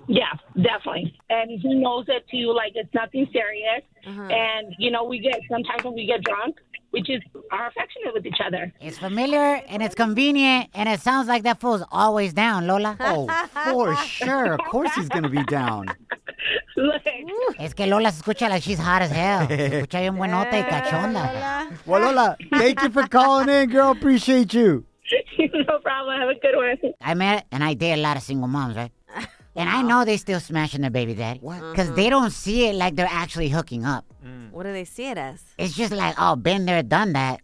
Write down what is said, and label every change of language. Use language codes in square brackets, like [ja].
[en] Yeah, definitely. And he knows it too. Like, it's nothing serious. Uh-huh. And, you know, sometimes when we get drunk, we just are affectionate with each other. It's familiar and it's convenient. And it sounds like that fool's always down, Lola. Oh, for sure. Of course he's going to be down. [es] Es que Lola se escucha [en] like she's hot as hell. [es] Se escucha bien buenota y cachonda. [en] Well, Lola, thank you for calling in, girl. Appreciate you. No problem. Have a good one. I met and I date a lot of single moms, right? And I know they still smashing their baby daddy. What? Because they don't see it like they're actually hooking up. Mm. What do they see it as? It's just like, oh, been there, done that.